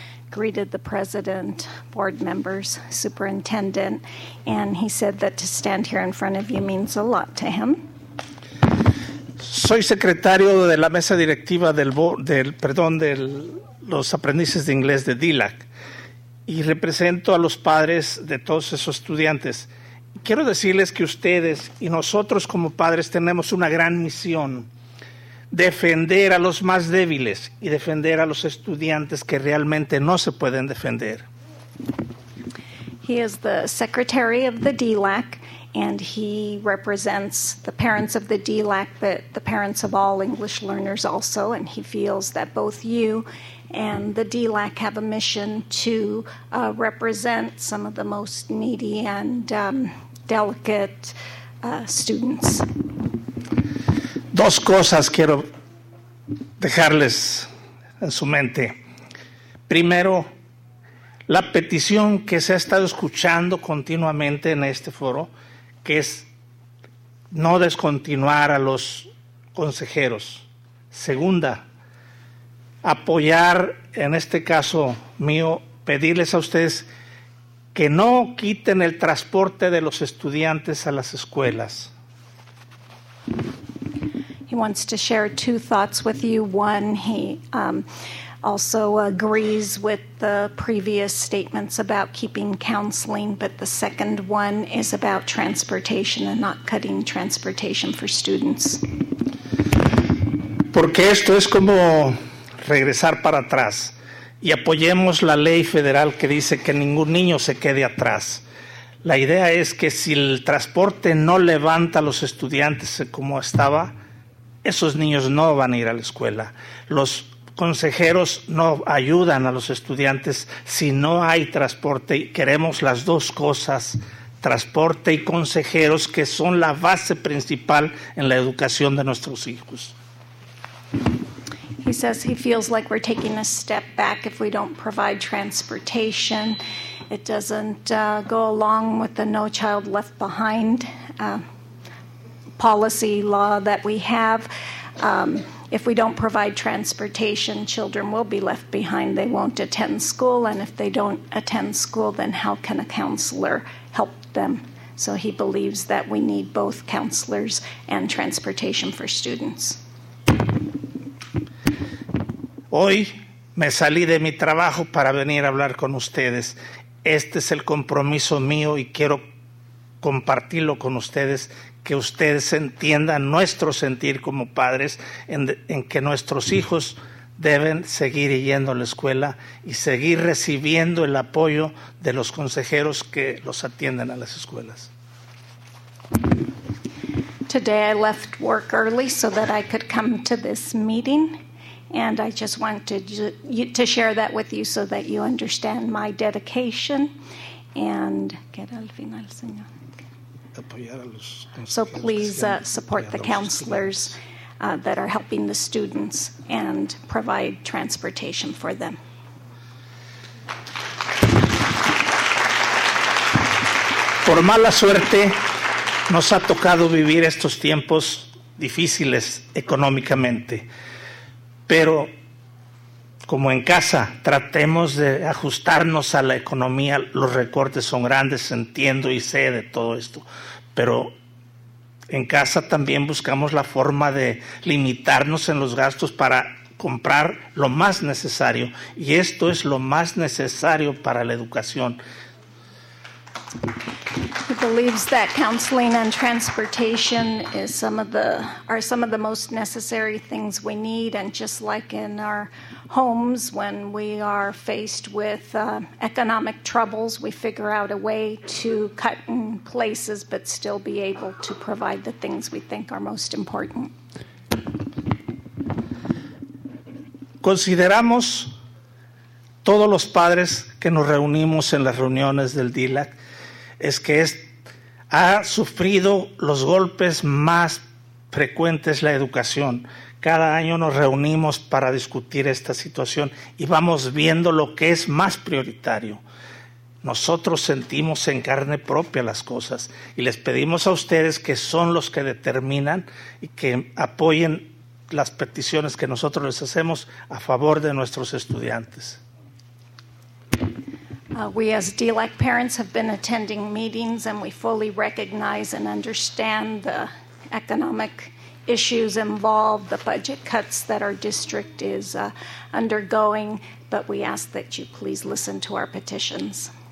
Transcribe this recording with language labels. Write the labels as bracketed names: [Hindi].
[English] Greeted the president, board members, superintendent, and he said that to stand here in front of you means a lot to him. [Spanish] Soy secretario de la mesa directiva de los aprendices de inglés de DILAC y represento a los padres de todos esos estudiantes. Quiero decirles que ustedes y nosotros como padres tenemos una gran misión: defender a los más débiles y defender a los estudiantes que realmente no se pueden defender. [English] He is the secretary of the DLAC, and he represents the parents of the DLAC, but the parents of all English learners also, and he feels that both you and the DLAC have a mission to represent some of the most needy and delicate students. [Spanish] Dos cosas quiero dejarles en su mente. Primero, la petición que se ha estado escuchando continuamente en este foro, que es no descontinuar a los consejeros. Segunda, apoyar, en este caso mío, pedirles a ustedes que no quiten el transporte de los estudiantes a las escuelas. [English] He wants to share two thoughts with you. One, he also agrees with the previous statements about keeping counseling, but the second one is about transportation and not cutting transportation for students. [Spanish] Porque esto es como regresar para atrás. Y apoyemos la ley federal que dice que ningún niño se quede atrás. La idea es que si el transporte no levanta a los estudiantes como estaba, esos niños no van a ir a la escuela. Los consejeros no ayudan a los estudiantes si no hay transporte. Queremos las dos cosas, transporte y consejeros, que son la base principal en la educación de nuestros hijos. [English] He says he feels like we're taking a step back if we don't provide transportation. It doesn't go along with the No Child Left Behind policy law that we have. If we don't provide transportation, children will be left behind. They won't attend school, and if they don't attend school, then how can a counselor help them? So he believes that we need both counselors and transportation for students. [Spanish] Hoy me salí de mi trabajo para venir a hablar con ustedes. Este es el compromiso mío y quiero compartirlo con ustedes, que ustedes entiendan nuestro sentir como padres en que nuestros hijos deben seguir yendo a la escuela y seguir recibiendo el apoyo de los consejeros que los atienden a las escuelas. [English] Today I left work early so that I could come to this meeting. And I just wanted to share that with you so that you understand my dedication. And get [Spanish] al final, señor. [English] So please support the counselors that are helping the students and provide transportation for them. [Spanish] Por mala suerte, nos ha tocado vivir estos tiempos difíciles económicamente. Pero, como en casa, tratemos de ajustarnos a la economía. Los recortes son grandes, entiendo y sé de todo esto. Pero en casa también buscamos la forma de limitarnos en los gastos para comprar lo más necesario. Y esto es lo más necesario para la educación. [English] He believes that counseling and transportation is some of the most necessary things we need. And just like in our homes, when we are faced with economic troubles, we figure out a way to cut in places but still be able to provide the things we think are most important. [Spanish] Consideramos todos los padres que nos reunimos en las reuniones del DILAC es que ha sufrido los golpes más frecuentes la educación. Cada año nos reunimos para discutir esta situación y vamos viendo lo que es más prioritario. Nosotros sentimos en carne propia las cosas y les pedimos a ustedes, que son los que determinan, y que apoyen las peticiones que nosotros les hacemos a favor de nuestros estudiantes. [English] We as DLAC parents have been attending meetings, and we fully recognize and understand the economic issues involved, the budget cuts that our district is undergoing, but we ask that you please listen to our petitions.